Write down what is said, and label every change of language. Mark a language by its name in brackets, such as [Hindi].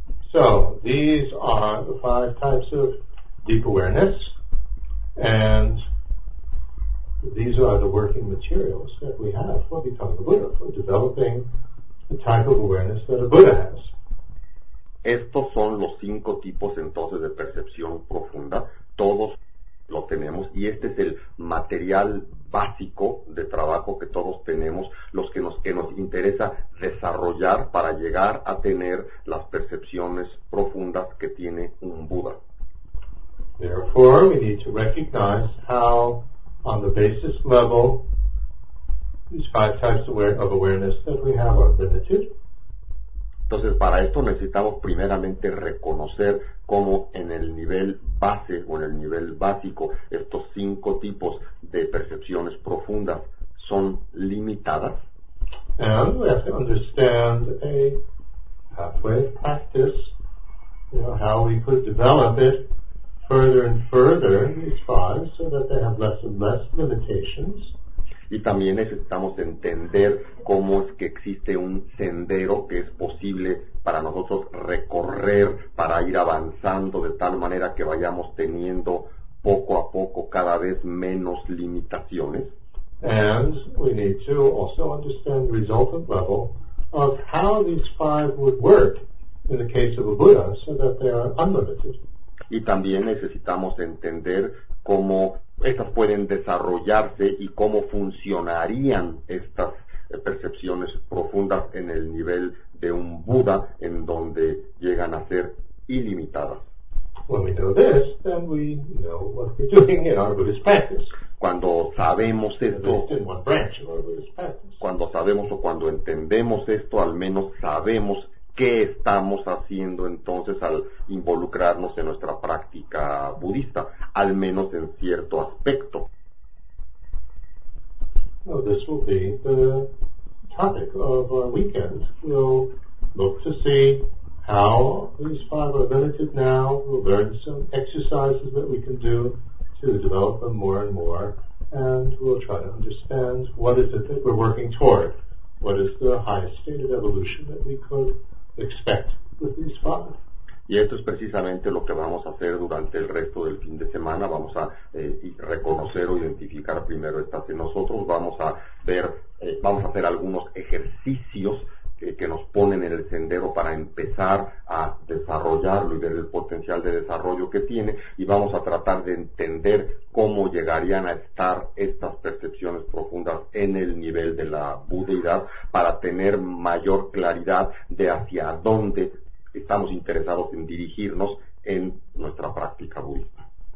[English] So these are the 5 types of deep awareness, and these are the working materials that we have for becoming a Buddha, for developing the type of awareness that a Buddha has. [Spanish] Estos son los 5 tipos entonces de percepción profunda. Todos lo tenemos y este es el material básico de trabajo que todos tenemos, los que nos interesa desarrollar para llegar a tener las percepciones profundas que tiene un Buda. [English] Therefore, we need to recognize how, on the basis level, these 5 types of awareness that we have are limited. [Spanish] Entonces, para esto necesitamos primeramente reconocer cómo en el nivel base o en el nivel básico estos 5 tipos de percepciones profundas son limitadas. [English] And we have to understand a pathway of practice, you know, how we could develop it further and further, these 5, so that they have less and less limitations. [Spanish] Y también necesitamos entender cómo es que existe un sendero que es posible para nosotros recorrer, para ir avanzando de tal manera que vayamos teniendo poco a poco cada vez menos limitaciones. [English] And we need to also understand the resultant level of how these 5 would work in the case of a Buddha so that they are unlimited. [Spanish] Y también necesitamos entender cómo estas pueden desarrollarse y cómo funcionarían estas percepciones profundas en el nivel de un Buda en donde llegan a ser ilimitadas. [English] When we know this, then we know what we're doing in our Buddhist practice. [Spanish] Cuando sabemos esto, [English] at least in one branch of our Buddhist practice. [Spanish] Cuando sabemos o cuando entendemos esto, al menos sabemos qué estamos haciendo entonces al involucrarnos en nuestra práctica budista, al menos en cierto aspecto. [English] Well, this will be the topic of our weekend. We'll look to see how these 5 are limited now. We'll learn some exercises that we can do to develop them more and more, and we'll try to understand what is it that we're working toward. What is the highest state of evolution that we could expect with these 5. [Spanish] Y esto es precisamente lo que vamos a hacer durante el resto del fin de semana. Vamos a reconocer o identificar primero estas en nosotros. Vamos a ver, vamos a hacer algunos ejercicios que nos ponen en el sendero para empezar a desarrollarlo y ver el potencial de desarrollo que tiene, y vamos a tratar de entender cómo llegarían a estar estas percepciones profundas en el nivel de la budeidad para tener mayor claridad de hacia dónde estamos interesados en dirigirnos en nuestra práctica budista.